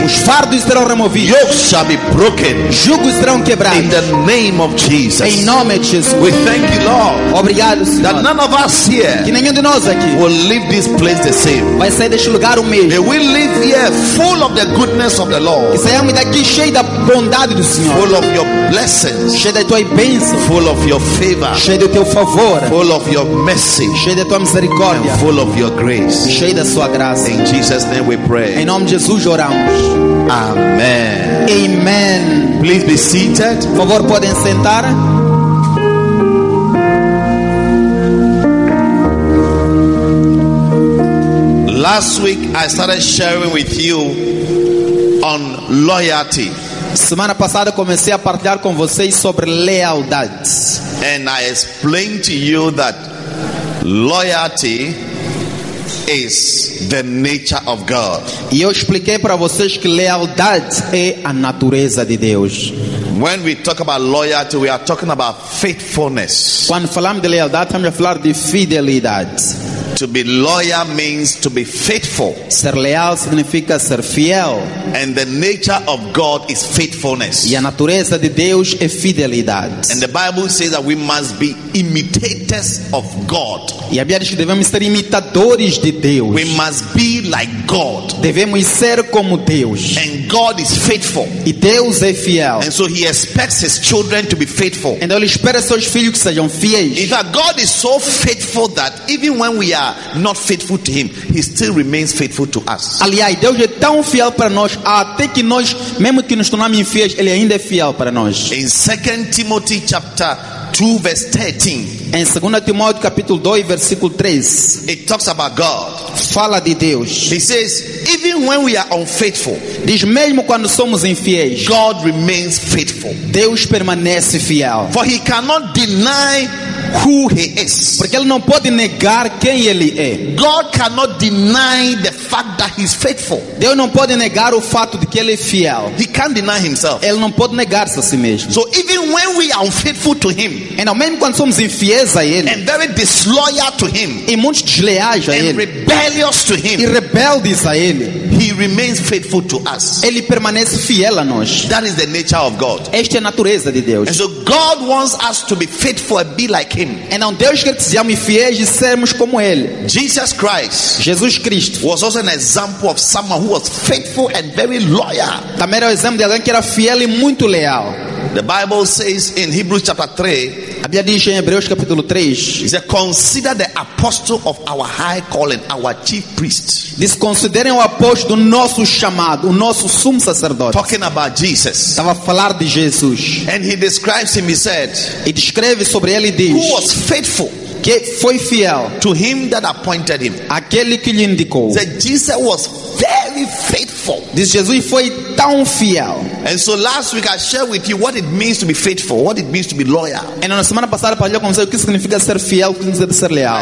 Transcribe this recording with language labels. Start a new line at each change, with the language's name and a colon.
Portuguese: Os fardos serão removidos.
English: Yokes shall be broken.
Portuguese: Jugos serão quebrados.
English: In the name of Jesus.
Portuguese: Em nome de Jesus.
English: We thank you, Lord.
Portuguese: Obrigado, Senhor.
English: That none of us here.
Portuguese: Que nenhum de nós aqui.
English: Will leave this place the same.
Portuguese: Vai sair deste lugar o mesmo.
English: May we live here full of the goodness of the Lord.
Portuguese: Que saiamos daqui cheio da bondade do Senhor.
English: Full of your blessings.
Portuguese: Cheio da tua bênção.
English: Full of your favor.
Portuguese: Cheio do teu favor.
English: Full of your mercy.
Portuguese: Cheio da tua misericórdia.
English: And full of your grace.
Portuguese: Cheio da sua graça.
English: In Jesus' name we pray.
Portuguese: Em nome de Jesus oramos.
English: Amen.
Portuguese: Amen.
English: Please be seated.
Portuguese: Por favor, podem sentar.
English: Last week I started sharing with you on loyalty.
Portuguese: Semana passada comecei a partilhar com vocês sobre lealdade.
English: And I explained to you that loyalty is the nature of God.
Portuguese: E eu expliquei para vocês que lealdade é a natureza de Deus.
English: When we talk about loyalty, we are talking about faithfulness.
Portuguese: Quando falamos de lealdade, estamos a falar de fidelidade.
English: To be loyal means to be faithful.
Portuguese: Ser leal significa ser fiel.
English: And the nature of God is faithfulness.
Portuguese: E a natureza de Deus é fidelidade.
English: And the Bible says that we must be imitators of God.
Portuguese: E a Bíblia diz que devemos ser imitadores de Deus.
English: We must be like God.
Portuguese: Devemos ser como Deus.
English: And God is faithful.
Portuguese: E Deus é fiel.
English: And so He expects His children to be faithful.
Portuguese: Então Ele espera seus filhos que sejam fiéis.
English: In fact, God is so faithful that even when we are not faithful to Him, He still remains faithful to us.
Portuguese: Aliás, Deus é tão fiel para nós até que nós, mesmo que nos tornamos infiéis, Ele ainda é fiel para nós.
English: In 2 Timothy chapter 2 verse 13.
Portuguese: Em 2 Timóteo capítulo 2 versículo 3.
English: It talks about God.
Portuguese: Fala de Deus.
English: He says, even when we are unfaithful.
Portuguese: Diz mesmo quando somos infiéis.
English: God remains faithful.
Portuguese: Deus permanece fiel.
English: For He cannot deny who He is.
Portuguese: Porque Ele não pode negar quem Ele é.
English: God cannot deny the fact that He's faithful.
Portuguese: Deus não pode negar o fato de que Ele é fiel.
English: He can't deny Himself.
Portuguese: Ele não pode negar-se a si mesmo.
English: So even when we are unfaithful to Him.
Portuguese: Então mesmo quando somos infiéis a Ele.
English: And very disloyal to Him.
Portuguese: E muito desleais a
English: and
Portuguese: Ele.
English: And rebellious to Him.
Portuguese: E rebeldes a Ele.
English: He remains faithful to us.
Portuguese: Ele permanece fiel a nós.
English: That is the nature of God.
Portuguese: Esta é a natureza de Deus.
English: And so God wants us to be faithful and be like Him. him.
Portuguese: Então Deus quer que sejamos fiéis e sermos como ele.
English: Jesus Christ.
Portuguese: Jesus Cristo.
English: Was also an example of someone who was faithful and very loyal.
Portuguese: Também era um exemplo de alguém que era fiel e muito leal.
English: The Bible says in Hebrews chapter 3.
Portuguese: A Bíblia diz em Hebreus capítulo 3.
English: It says, consider the apostle of our high calling, our chief priest.
Portuguese: Diz, considerem o apóstolo do nosso chamado, o nosso sumo sacerdote.
English: Talking about Jesus.
Portuguese: Estava a falar de Jesus.
English: And he describes him, he said.
Portuguese: E descreve sobre ele e diz.
English: Who was faithful.
Portuguese: Que foi fiel.
English: To him that appointed him.
Portuguese: Aquele que lhe indicou.
English: That Jesus was very faithful.
Portuguese: Diz, Jesus foi tão fiel.
English: And so last week I shared with you what it means to be faithful, what it means to be loyal.
Portuguese: E na semana passada falei com você o que significa ser fiel, o que significa ser leal.